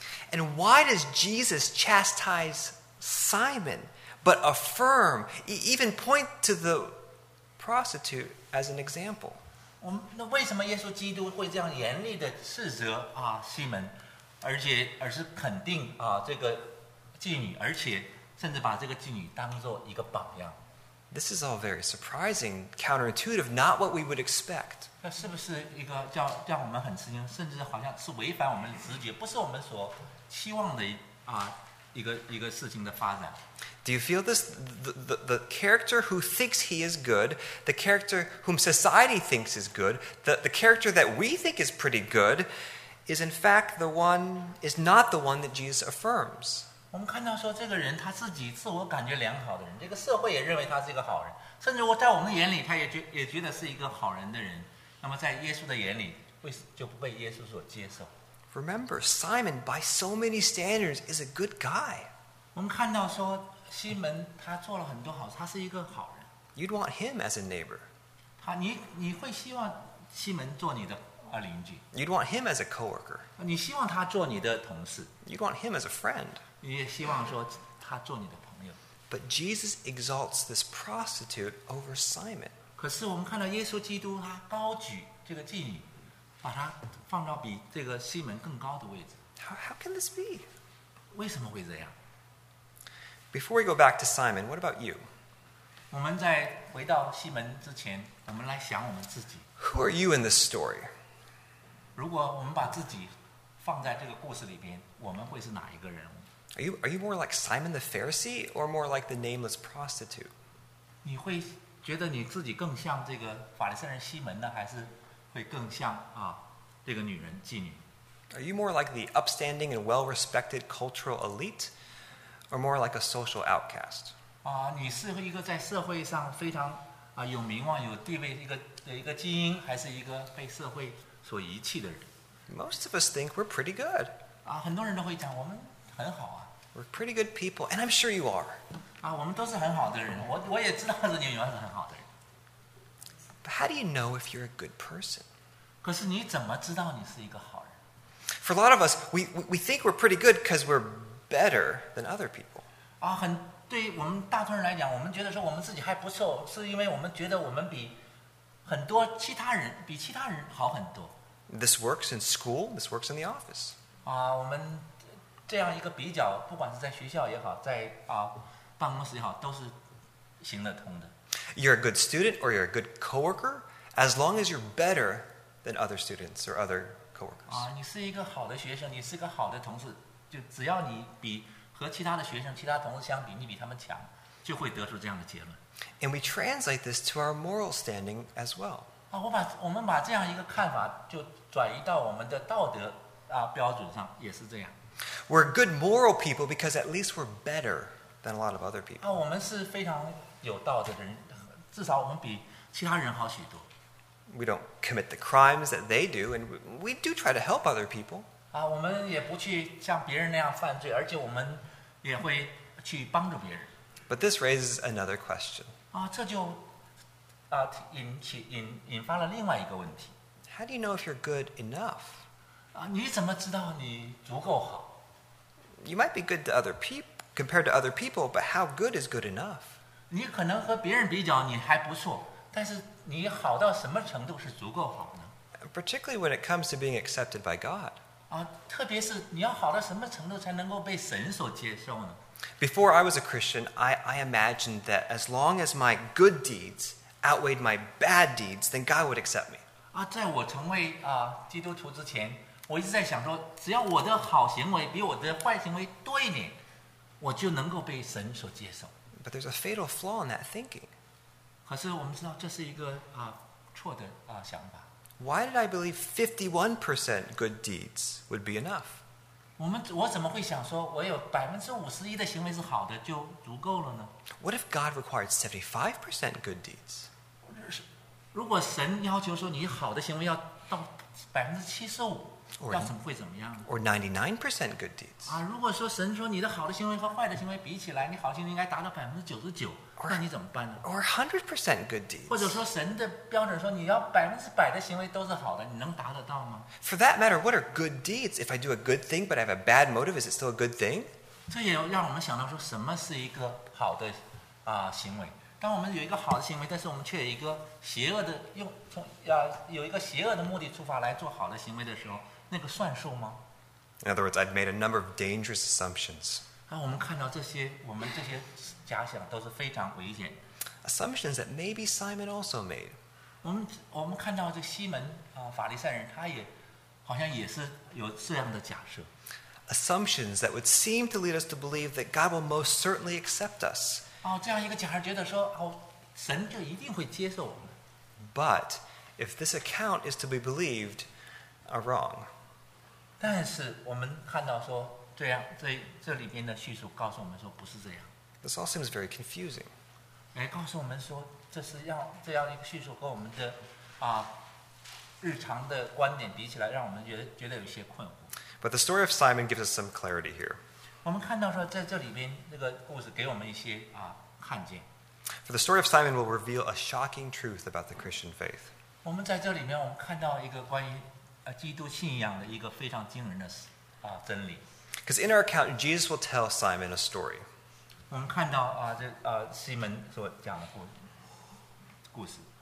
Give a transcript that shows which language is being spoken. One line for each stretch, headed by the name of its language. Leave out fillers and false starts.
English: And why does Jesus chastise Simon, but affirm, even point to the prostitute as an example?
Chinese: 那为什么耶稣基督会这样严厉的斥责啊西门，而是肯定啊这个妓女，而且甚至把这个妓女当作一个榜样？
English: This is all very surprising, counterintuitive, not what we would expect.
Chinese: 那是不是一个叫我们很吃惊，甚至好像是违反我们的直觉，不是我们所期望的啊一个事情的发展
English: ？Do you feel this? The character who thinks he is good, the character whom society thinks is good, the character that we think is pretty good, is in fact the one is not the one that Jesus affirms.
Chinese: 我们看到说这个人他自己自我感觉良好的人，这个社会也认为他是一个好人，甚至我在我们眼里他也觉得是一个好人的人。那么在耶稣的眼里，为什么就不被耶稣所接受
English: ？Remember, Simon, by so many standards, is a good guy.
Chinese: 我们看到说西门他做了很多好事，他是一个好人。
English: You'd want him as a neighbor.
Chinese: 你会希望西门做你的邻居。
English: You'd want him as a coworker.
Chinese: 你希望他做你的同事。
English: You'd want him as a friend.
Chinese: 你也希望说他做你的朋友。
English: But Jesus exalts this prostitute over Simon.
Chinese: 可是我们看到耶稣基督他高举这个妓女，把她放到比这个西门更高的位置。
English: How can this be?
Chinese: 为什么会这样？
English: Before we go back to Simon, what about you?
Chinese: 我们在回到西门之前，我们来想我们自己。
English: Who are you in this story?
Chinese: 如果我们把自己放在这个故事里边，我们会是哪一个人物？
English: Are you more like Simon the Pharisee or more like the nameless prostitute?
Chinese: 你会觉得你自己更像这个法利赛人西门呢，还是会更像啊这个女人妓女
English: ？Are you more like the upstanding and well-respected cultural elite, or more like a social outcast？
Chinese: 啊，你是一个在社会上非常啊有名望、有地位一个精英，还是一个被社会所遗弃的人
English: ？Most of us think we're pretty good。
Chinese: 啊，很多人都会讲我们很好啊。
English: We're pretty good people, and I'm sure you are.
Chinese: 啊，我们都是很好的人，我也知道这女人是很好的人。
English: But how do you know if you're a good person?
Chinese: 可是你怎么知道你是一个好人
English: ？For a lot of us, we think we're pretty good because we're better than other people.
Chinese: 啊，很对我们大多数人来讲，我们觉得说我们自己还不错，是因为我们觉得我们比很多其他人比其他人好很多。
English: This works in school. This works in the office.
Chinese: 啊，我们这样一个比较，不管是在学校也好，在啊。办公室也好，都是行得通的。
English: You're a good student or you're a good coworker, as long as you're better than other students or other coworkers.
Chinese: 啊，你是一个好的学生，你是个好的同事，就只要你比和其他的学生、其他同事相比，你比他们强，就会得出这样的结论。
English: And we translate this to our moral standing as well.
Chinese: 啊，我们把这样一个看法就转移到我们的道德啊标准上，也是这样。
English: We're good moral people because at least we're better. Than a lot of other people.
Chinese: 啊，我们是非常有道德的人，至少我们比其他人好许多。
English: We don't commit the crimes that they do, and we do try to help other people.
Chinese: 啊，我们也不去像别人那样犯罪，而且我们也会去帮助别人。
English: But this raises another question.
Chinese: 啊，这就啊引发了另外一个问题。
English: How do you know if you're good enough?
Chinese: 啊，你怎么知道你足够好？
English: You might be good to other people, compared to other people, but how good is good enough?
Chinese: 你可能和别人比较你还不错，但是你好到什么程度是足够好呢？
English: Particularly when it comes to being accepted by God.
Chinese: 啊，特别是你要好到什么程度才能够被神所接受呢？
English: Before I was a Christian, I imagined that as long as my good deeds outweighed my bad deeds, then God would accept me.
Chinese: 啊，在我成为啊基督徒之前，我一直在想说，只要我的好行为比我的坏行为多一点，我就能够被神所接受。
English: But there's a fatal flaw in that thinking.
Chinese: 可是我们知道这是一个啊错的啊想法。
English: Why did I believe 51% good deeds would be enough?
Chinese: 我怎么会想说我有51%的行为是好的就足够了呢？
English: What if God required 75% good deeds?
Chinese: 如果神要求说你好的行为要到75%。
English: Or 99% good deeds.
Chinese: 啊，如果说神说你的好的行为和坏的行为比起来，你好行为应该达到99%，那你怎么办呢？
English: Or 100% good deeds.
Chinese: 或者说神的标准说你要100%的行为都是好的，你能达得到吗？
English: For that matter, what are good deeds? If I do a good thing but I have a bad motive, is it still a good thing?
Chinese: 这也让我们想到说什么是一个好的啊行为。当我们有一个好的行为，但是我们却有一个邪恶的用从啊有一个邪恶的目的出发来做好的行为的时候。那个算数吗？
English: In other words, I've made a number of dangerous assumptions.
Chinese: 啊，我们看到这些，我们这些假想都是非常危险。
English: Assumptions that maybe Simon also made.
Chinese: 我们看到这西门啊，法利赛人，他也好像也是有这样的假设。
English: Assumptions that would seem to lead us to believe that God will most certainly accept us.
Chinese: 啊，这样一个假设，觉得说哦，神就一定会接受我们。
English: But if this account is to be believed. Are wrong.
Chinese: 但是我们看到说，这样这里边的叙述告诉我们说不是这样。
English: This all seems very confusing.
Chinese: 来告诉我们说，这是要这样一个叙述和我们的啊日常的观点比起来，让我们觉得有些困惑。
English: But the story of Simon gives us some clarity here.
Chinese: 我们看到说，在这里边这个故事给我们一些啊看见。
English: For the story of Simon will reveal a shocking truth about the Christian faith.
Chinese: 我们在这里面，我们看到一个关于。基督信仰的一个非常惊人的啊真理。
English: Because in our account, Jesus will tell Simon a story.
Chinese: 我们看到啊，这啊西门所讲的故事。